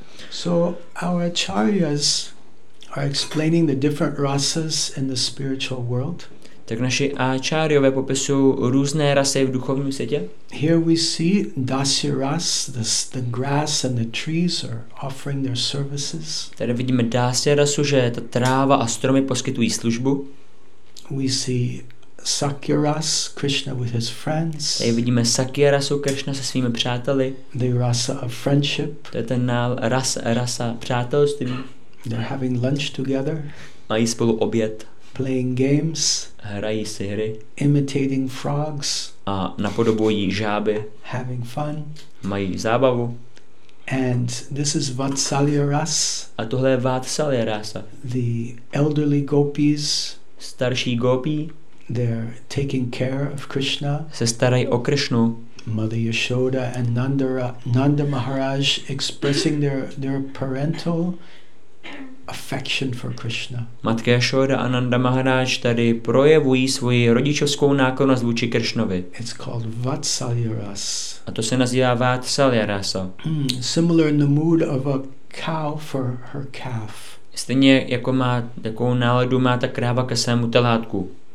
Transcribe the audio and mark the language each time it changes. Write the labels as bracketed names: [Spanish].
[English] So our acharyas are explaining the different rasas in the spiritual world. [Czech] Tak naši acharyové popisují různé rasy v duchovním světě. [English] Here we see dasya ras, the grass and the trees are offering their services. [Czech] Tady vidíme dasya rasu, že ta tráva a stromy poskytují službu. [English] We see Sakya ras, Krishna with his friends. [Czech] Tady vidíme Sakya rasu, Krishna se svými přáteli. [English] The rasa of friendship. [Czech] To je ten rasa přátelství. [English] They're having lunch together. [Czech] Mají spolu oběd. [English] Playing games. [Czech] Hrají si hry. [English] Imitating frogs. [Czech] A napodobují žáby. [English] Having fun. [Czech] Mají zábavu. [English] And this is Vatsalya ras. [Czech] A tohle je Vatsalya rasa. [English] The elderly gopis. [Czech] Starší gopi, [English] they're taking care of Krishna. [Czech] Se starají o Krishnu. [English] Mother Yashoda and Nanda Maharaj expressing their parental affection for Krishna. [Czech] Matka Yashoda a Nanda Maharaj tady projevují svoji rodičovskou náklonnost vůči Krishnovi. [English] It's called Vatsalya ras. [Czech] A to se nazývá Vatsalya rasa. [English] Similar in the mood of a cow for her calf. [Czech] Stejně jako má takovou náladu má ta kráva ke svému telátku.